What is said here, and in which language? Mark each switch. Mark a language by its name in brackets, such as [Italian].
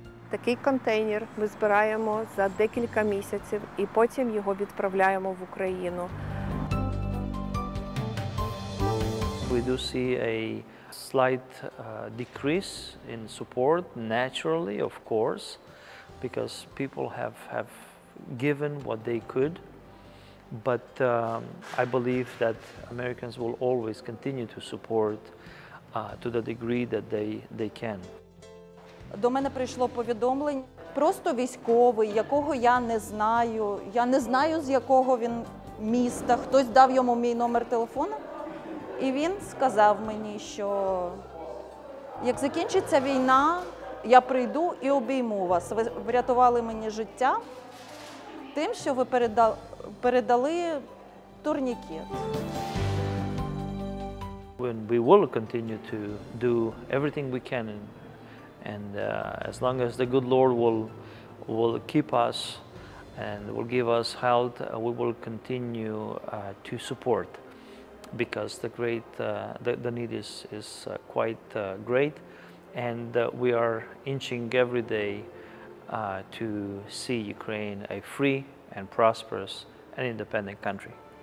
[Ukrainian] Такий контейнер ми збираємо за декілька місяців і потім його відправляємо в Україну. [English] We do see a slight decrease in support, naturally, of course, because people have given what they could. But I believe that Americans will always continue to support to the degree that they can. [Ukrainian] До мене прийшло повідомлення. Просто військовий, якого я не знаю. Я не знаю, з якого він міста. Хтось дав йому мій номер телефону. І він сказав мені, що як закінчиться війна, я прийду і обійму вас. Ви врятували мені життя тим, що ви передали турнікет. [English] and we will continue to do everything we can, and as long as the good Lord will keep us and will give us health, we will continue to support, because the great the need is quite great, and we are inching every day to see Ukraine a free and prosperous and independent country.